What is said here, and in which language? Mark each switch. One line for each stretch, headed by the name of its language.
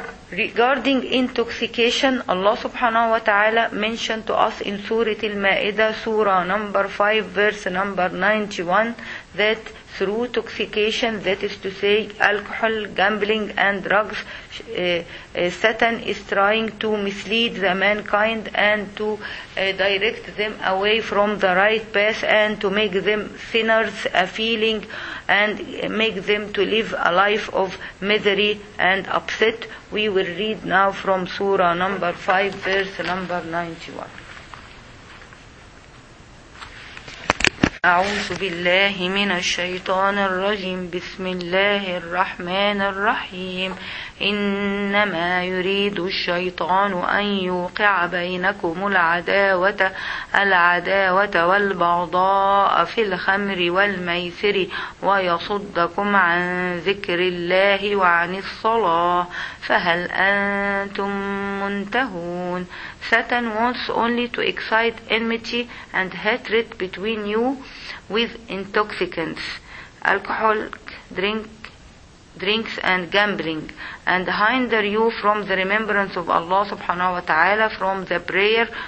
English: Regarding intoxication, Allah subhanahu wa ta'ala mentioned to us in Surah Al-Ma'idah, Surah number 5, verse number 91, that through intoxication, that is to say alcohol, gambling and drugs, Satan is trying to mislead the mankind and to direct them away from the right path and to make them sinners, a feeling, and make them to live a life of misery and upset. We will read now from Surah number 5, verse number 91.
Arabic: أعوذ بالله من الشيطان الرجيم بسم الله الرحمن الرحيم إنما يريد الشيطان أن يوقع بينكم العداوة والبغضاء في الخمر والميسر ويصدكم عن ذكر الله وعن الصلاة فهل أنتم منتهون.
English: Satan wants only to excite enmity and hatred between you with intoxicants, alcohol, drinks and gambling, and hinder you from the remembrance of Allah subhanahu wa ta'ala, from the prayer.